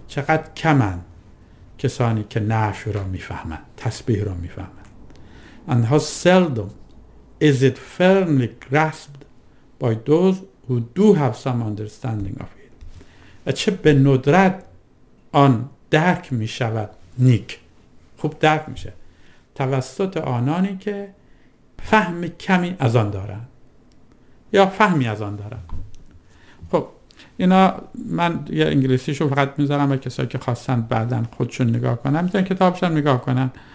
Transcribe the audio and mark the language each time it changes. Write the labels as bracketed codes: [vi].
[fa] چقدر کمن کسانی که نفی را میفهمن، تسبیح را میفهمن. [en] And how seldom is it firmly grasped by those who do have some understanding of it. [fa] چه به ندرت آن درک می شود نیک، خوب درک می شه، توسط آنانی که فهم کمی از آن دارن یا فهمی از آن دارن. خب اینا من یه انگلیسیشو فقط می زنم و کسایی که خواستن بعدن خودشون نگاه کنن می تونن کتابشون نگاه کنن.